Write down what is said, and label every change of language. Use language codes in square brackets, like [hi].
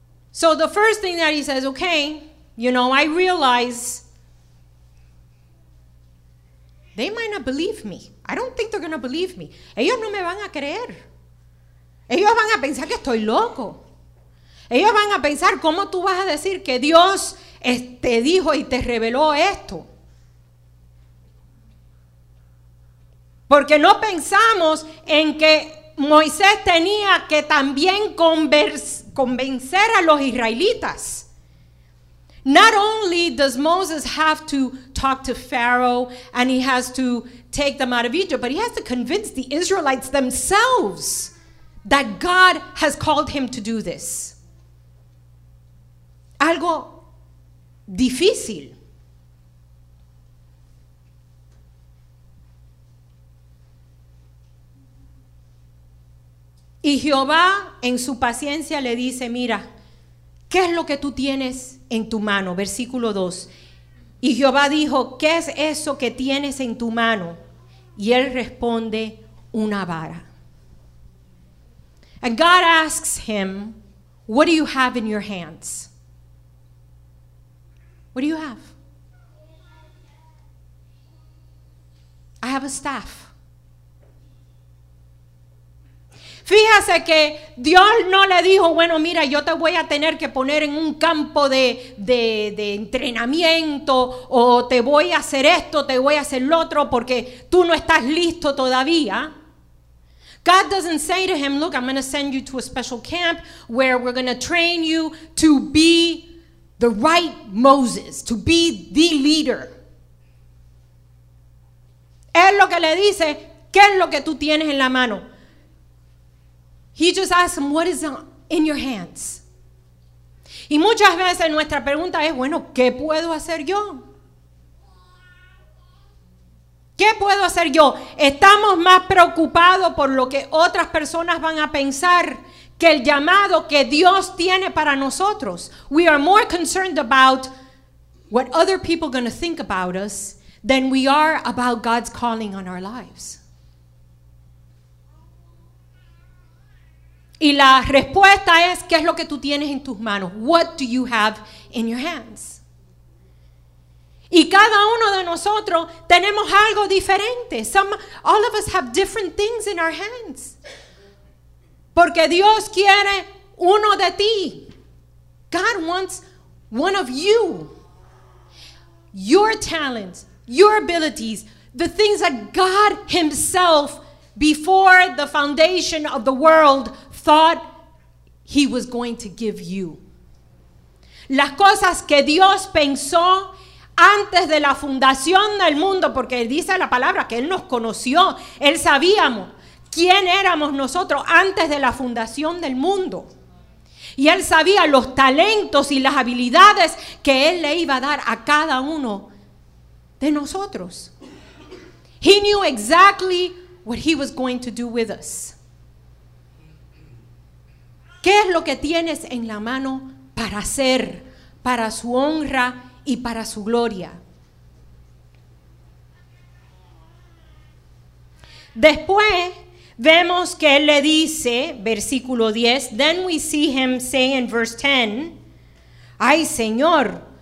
[en] So the first thing that he says, okay, you know, I realize they might not believe me. I don't think they're going to believe me. [es] Ellos no me van a creer. Ellos van a pensar que estoy loco. Ellos van a pensar, ¿cómo tú vas a decir que Dios te dijo y te reveló esto? Porque no pensamos en que Moisés tenía que también convencer a los israelitas. [en] Not only does Moses have to talk to Pharaoh and he has to take them out of Egypt, but he has to convince the Israelites themselves that God has called him to do this. [es] Algo difícil. Y Jehová en su paciencia le dice, mira, ¿qué es lo que tú tienes en tu mano? Versículo 2. Y Jehová dijo, ¿qué es eso que tienes en tu mano? Y él responde, una vara. [en] And God asks him, what do you have in your hands? What do you have? I have a staff. [es] Fíjese que Dios no le dijo, bueno, mira, yo te voy a tener que poner en un campo de entrenamiento, o te voy a hacer esto, te voy a hacer lo otro, porque tú no estás listo todavía. [en] God doesn't say to him, look, I'm going to send you to a special camp where we're going to train you to be the right Moses, to be the leader. [es] Él lo que le dice, ¿qué es lo que tú tienes en la mano? [en] He just asks him, what is in your hands? [es] Y muchas veces nuestra pregunta es, bueno, ¿qué puedo hacer yo? ¿Qué puedo hacer yo? Estamos más preocupados por lo que otras personas van a pensar que el llamado que Dios tiene para nosotros. [en] We are more concerned about what other people are going to think about us than we are about God's calling on our lives. [es] Y la respuesta es, ¿qué es lo que tú tienes en tus manos? [en] What do you have in your hands? [es] Y cada uno de nosotros tenemos algo diferente. [en] All of us have different things in our hands. [es] Porque Dios quiere uno de ti. [en] God wants one of you. Your talents, your abilities, the things that God himself, before the foundation of the world, thought he was going to give you. [es] Las cosas que Dios pensó antes de la fundación del mundo, porque dice la palabra que él nos conoció, él sabíamos quién éramos nosotros antes de la fundación del mundo. Y él sabía los talentos y las habilidades que él le iba a dar a cada uno de nosotros. [en] He knew exactly what he was going to do with us. [es] ¿Qué es lo que tienes en la mano para hacer, para su honra y para su gloria? Después vemos que él le dice, versículo 10, [en] then we see him say in verse 10, [es] ay, Señor,